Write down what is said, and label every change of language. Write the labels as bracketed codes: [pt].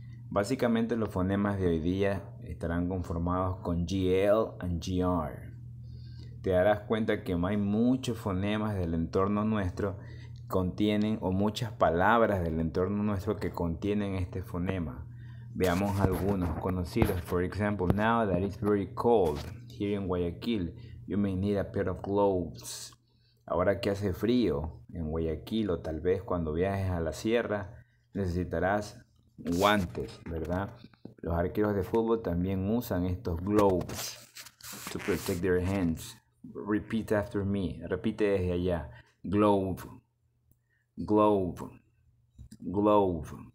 [es] Básicamente los fonemas de hoy día estarán conformados con GL and GR. Te darás cuenta que hay muchos fonemas del entorno nuestro contienen, o muchas palabras del entorno nuestro que contienen este fonema. Veamos algunos conocidos. [en] For example, now that it's very cold here in Guayaquil, you may need a pair of gloves. [es] Ahora que hace frío en Guayaquil, o tal vez cuando viajes a la sierra, necesitarás guantes, ¿verdad? Los arqueros de fútbol también usan estos gloves [en] to protect their hands. Repeat after me. [es] Repite desde allá. [en] Glove. Glove. Glove.